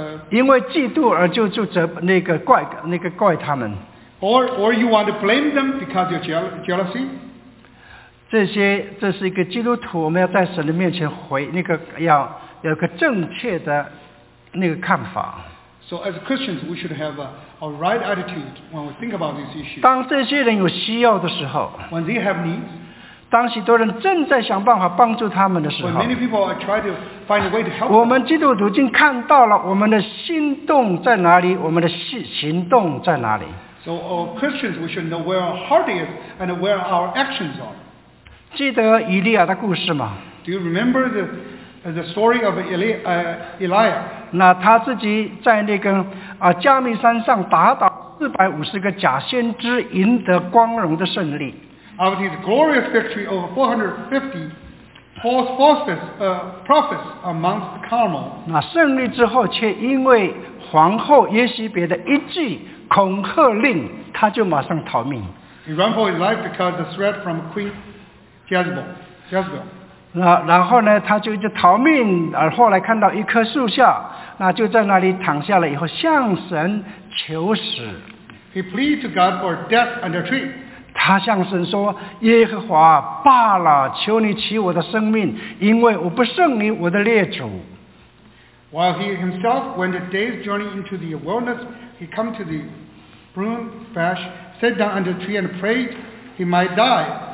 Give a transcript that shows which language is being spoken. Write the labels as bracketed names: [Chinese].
[Chinese] 因为嫉妒而就责怪他们 [English] ？Or you want to blame them because of jealousy? [Chinese] 这是一个基督徒，我们要在神的面前回那个要有个正确的那个看法。 [English] So as Christians, we should have a right attitude when we think about this issue. [Chinese] 当这些人有需要的时候 [English] ，when they have needs， [Chinese] 当许多人正在想办法帮助他们的时候 [English] ，when many people are trying to find a way to help them， [Chinese] 我们基督徒已经看到了我们的心动在哪里，我们的行动在哪里。 [English] So as Christians, we should know where our heart is and where our actions are. [Chinese] 记得以利亚的故事吗 [English] ？Do you remember the story of Elijah？ [Chinese] 那他自己在那个加密山上打倒450个假先知，赢得光荣的胜利。 [English] After his glorious victory over 450 false prophets amongst the Carmel. [Chinese] 那胜利之后，却因为皇后耶洗别的一句恐吓令，他就马上逃命。 [English] He ran for his life because the threat from Queen Jezebel. [Chinese] 然后呢，他就逃命，而后来看到一棵树下。那就在那里躺下了以后，向神求死。 [English] He pleaded to God for death under a tree. [Chinese] 他向神说：“耶和华罢了，求你取我的生命，因为我不胜你，我的列祖。” [English] While he himself went a day's journey into the wilderness, he came to the broom bush, sat down under a tree, and prayed he might die.